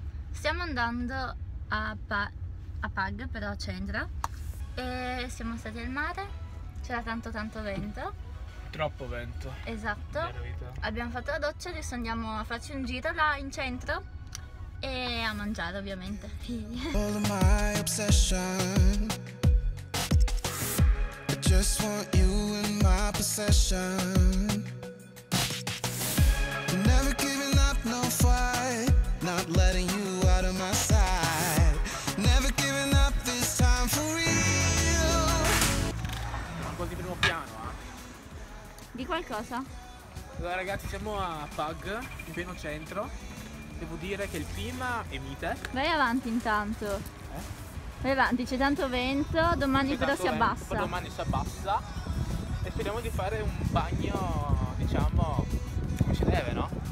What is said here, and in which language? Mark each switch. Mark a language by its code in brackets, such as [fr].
[it] Stiamo andando a Pag, però a Cendra, e siamo stati al mare, c'era tanto tanto vento. Troppo vento. Esatto. Abbiamo fatto la doccia, adesso andiamo a farci un giro là in centro e a mangiare ovviamente. [en] All my obsession. I just want you in my possession. Never giving up, no fight. Not letting you out of my sight. Never giving up this time for real. [it] Un po' di primo piano, Di qualcosa. Allora ragazzi, siamo a Pag, in pieno centro. Devo dire che il clima è mite. Vai avanti intanto. Vai avanti, c'è tanto vento, domani c'è però tanto si vento, abbassa. Domani si abbassa. E speriamo di fare un bagno, diciamo, come ci deve, no?